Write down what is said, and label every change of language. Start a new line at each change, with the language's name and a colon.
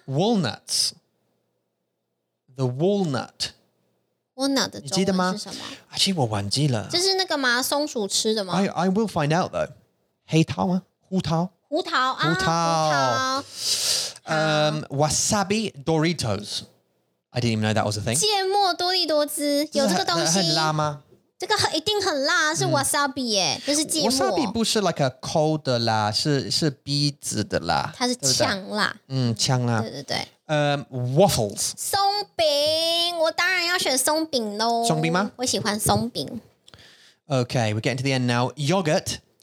English: Walnuts The walnut
Chinese: Walnut的中文是什么? 你记得吗?其实我忘记了这是那个吗?松鼠吃的吗?
English: I will find out though
Chinese: 黑桃吗?胡桃胡桃胡桃, 胡桃.
English: Wasabi Doritos I didn't even know that was a thing
Chinese: 芥末多利多汁 有这个东西很辣吗? 这个一定很辣 是wasabi耶 这是芥末 wasabi不是
English: like a cold
Chinese: 的啦 是鼻子的啦它是呛辣呛辣对对对
English: Waffles
Chinese: 松饼 我当然要选松饼咯松饼吗? 我喜欢松饼
English: Okay, we're getting to the end now Yogurt